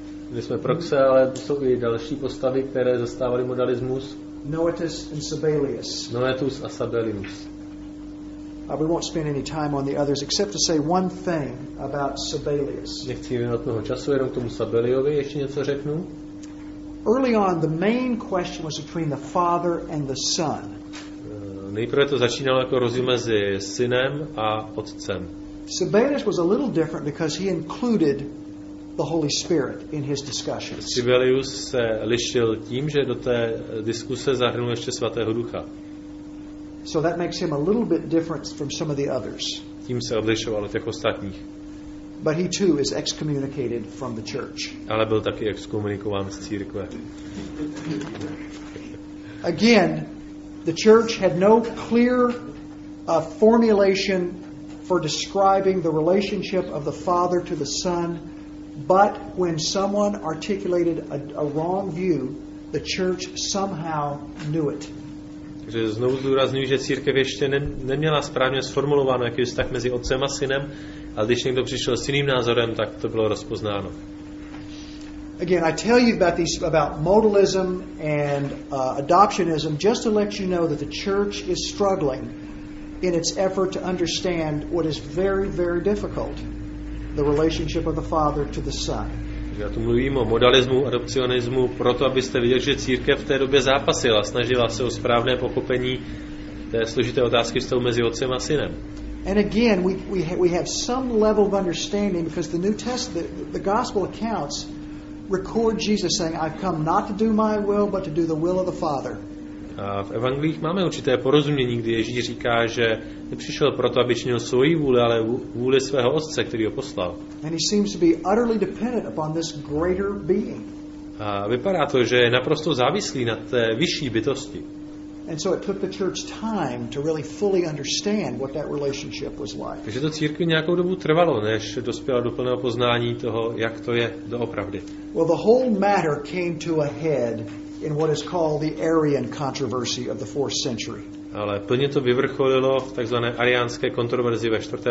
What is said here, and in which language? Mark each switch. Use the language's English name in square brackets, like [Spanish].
[Czech] My jsme Praxe, ale jsou i další postavy, které zastávaly modalismus. [English] Noetus and Sabellius. [Czech] Noetus a Sabellius. [English] We won't spend any time on the others except to say one thing about Sabellius. [Czech] Nechci věnovat toho času, jenom k tomu Sabelliovi ještě něco řeknu. [English] early on the main question was between the father and the son. [Czech] Nejprve to začínalo jako rozdíl mezi synem a otcem. [English] Sabinus was a little different because he included the Holy Spirit in his discussion. [Czech] Sibelius se lišil tím, že do té diskuse zahrnul ještě Svatého Ducha. [English] So that makes him a little bit different from some of the others. [Czech] Tím se odlišoval od těch ostatních. [English] But he too is excommunicated from the church. [Czech] Ale byl taky exkomunikován z církve. [English] Again, the church had no clear formulation for describing the relationship of the father to the son, but when someone articulated a wrong view, the church somehow knew it. [Czech] Takže znovu zdůrazňuji, že církev ještě neměla správně sformulováno, jaký je vztah mezi otcem a synem, ale když někdo přišel s jiným názorem, tak to bylo rozpoznáno. [English] Again, I tell you about these about modalism and adoptionism just to let you know that the church is struggling in its effort to understand what is very, very difficult, the relationship of the father to the son. [Czech] Já tu mluvím o modalismu, adopcionismu, proto abyste viděli, že církev v té době zápasila, snažila se o správné pochopení té složité otázky vztahu mezi otcem a synem. [English] And again, we have some level of understanding because the New Testament, the gospel accounts record Jesus saying, I've come not to do my will, but to do the will of the Father. [Czech] A v evangelích máme určité porozumění, kdy Ježíš říká, že nepřišel proto, aby činil svoji vůli, ale vůli svého otce, který ho poslal. [English] And he seems to be utterly dependent upon this greater being. [Czech] A vypadá to, že je naprosto závislý na té vyšší bytosti. [English] And so it took the church time to really fully understand what that relationship was like. [Czech] Takže to církvi nějakou dobu trvalo, než dospěla do plného poznání toho, jak to je doopravdy. [English] Well, the whole matter came to a head in what is called the Arian controversy of the 4th century. [Czech] Ale plně to vyvrcholilo v takzvané ariánské kontroverzi ve 4.